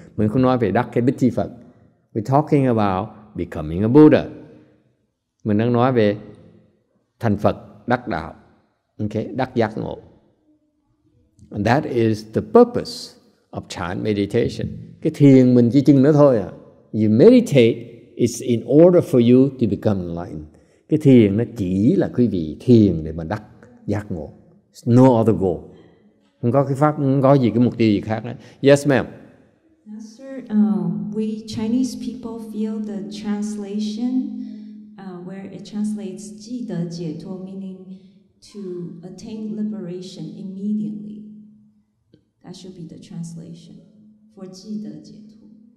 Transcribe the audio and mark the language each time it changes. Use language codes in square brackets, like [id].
[vi] Mình không nói về đắc cái bích chi Phật. [en] We're talking about becoming a Buddha. [vi] Mình đang nói về thành Phật, đắc đạo. Okay, đắc giác ngộ. [en] And that is the purpose of chan meditation. [vi] Cái thiền mình chỉ chừng đó thôi à. [en] You meditate, it's in order for you to become enlightened. [vi] Cái thiền nó chỉ là quý vị thiền để mà đắc giác ngộ. [en] It's no other goal. [vi] Không có cái pháp, không có gì cái mục tiêu gì khác hết. [en] Yes, ma'am. Master, we Chinese people feel the translation where it translates 即得解脱, meaning to attain liberation immediately. That should be the translation for 即得解脱.